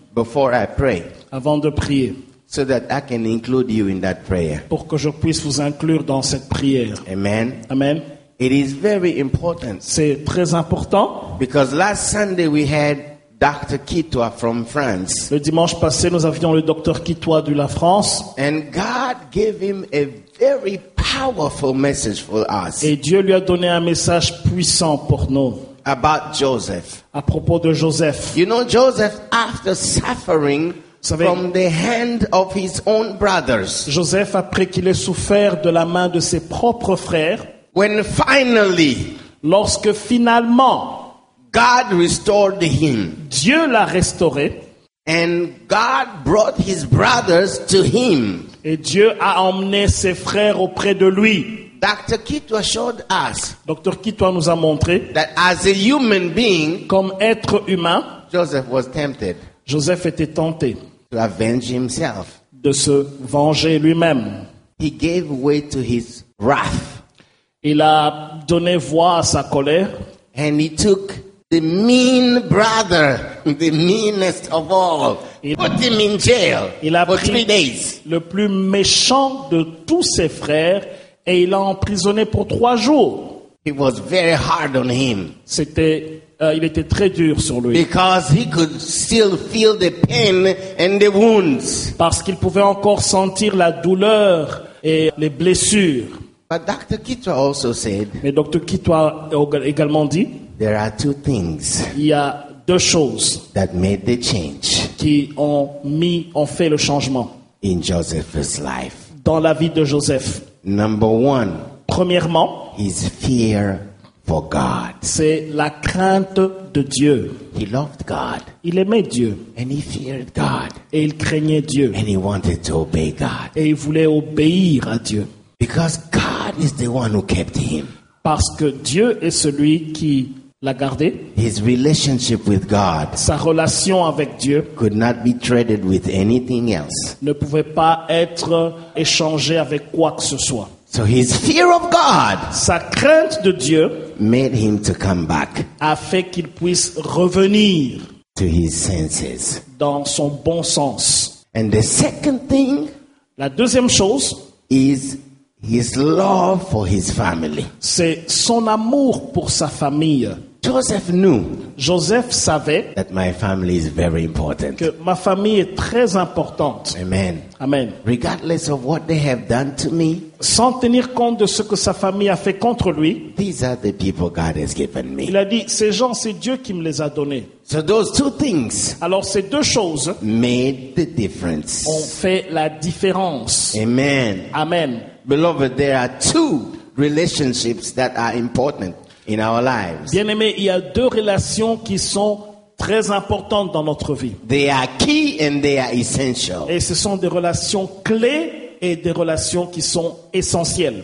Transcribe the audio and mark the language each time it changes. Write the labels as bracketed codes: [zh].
[en] Before I pray. [fr] Avant de prier. [en] So that I can include you in that prayer. [fr] Pour que je puisse vous inclure dans cette prière. [en] Amen. [fr] Amen. [en] It is very important. [fr] C'est très important. [en] Because last Sunday we had Dr. Kitoa from France. [fr] Le dimanche passé, nous avions le docteur Kitoa de la France. [en] And God gave him a very powerful message for us. [fr] Et Dieu lui a donné un message puissant pour nous. [en] About Joseph. [fr] À propos de Joseph. [en] You know Joseph, after suffering from the hand of his own brothers. [fr] Joseph, après qu'il ait souffert de la main de ses propres frères. [en] When finally, [fr] lorsque finalement, [en] God restored him, [fr] Dieu l'a restauré, [en] and God brought his brothers to him, [fr] et Dieu a emmené ses frères auprès de lui. [en] Dr. Kitoa showed us, [fr] Dr. Kitoa nous a montré, [en] that as a human being, [fr] comme être humain, [en] Joseph was tempted, [fr] Joseph était tenté, [en] to avenge himself, [fr] de se venger lui-même. [en] He gave way to his wrath. [fr] Il a donné voix à sa colère. [en] And he took the mean brother, the meanest of all, put him in jail for 3 days. [fr] Le plus méchant de tous ses frères, et il l'a emprisonné pour 3 jours. [en] It was very hard on him. [fr] C'était, il était très dur sur lui. [en] Because he could still feel the pain and the wounds. [fr] Parce qu'il pouvait encore sentir la douleur et les blessures. [en] But Dr. Kitwa also said. [fr] Mais Dr. Kitwa également dit. [en] There are two things. [fr] Il y a deux choses. [en] That made the change. [fr] Qui ont fait le changement. [en] In Joseph's life. [fr] Dans la vie de Joseph. [en] Number one. [fr] Premièrement, [en] his fear for God. [fr] C'est la crainte de Dieu. [en] He loved God. [fr] Il aimait Dieu. [en] And he feared God. [fr] Et il craignait Dieu. [en] And he wanted to obey God. [fr] Et il voulait obéir à Dieu. [en] Because God is the one who kept him. [fr] Parce que Dieu est celui qui l'a gardé. [en] His relationship with God. [fr] Sa relation avec Dieu. [en] Could not be traded with anything else. [fr] Ne pouvait pas être échangé avec quoi que ce soit. [en] So his fear of God, [fr] sa crainte de Dieu, [en] made him to come back, [fr] a fait qu'il puisse revenir, [en] to his senses, [fr] dans son bon sens. [en] And the second thing, [fr] la deuxième chose, [en] is his love for his family. [fr] C'est son amour pour sa famille. [en] Joseph knew, [fr] Joseph savait, [en] that my family is very important, [fr] que ma famille est très importante. [en] Amen. [fr] Amen. [en] Regardless of what they have done to me, [fr] sans tenir compte de ce que sa famille a fait contre lui, [en] these are the people God has given me. [fr] Il a dit, ces gens, c'est Dieu qui me les a donnés. [en] So those two things, [fr] alors ces deux choses, [en] made the difference, [fr] ont fait la différence. [en] Amen. [fr] Amen. [en] Beloved, there are two relationships that are important in our lives. [fr] Bien-aimé, il y a deux relations qui sont très importantes dans notre vie. [en] They are key and they are essential. [fr] Et ce sont des relations clés et des relations qui sont essentielles.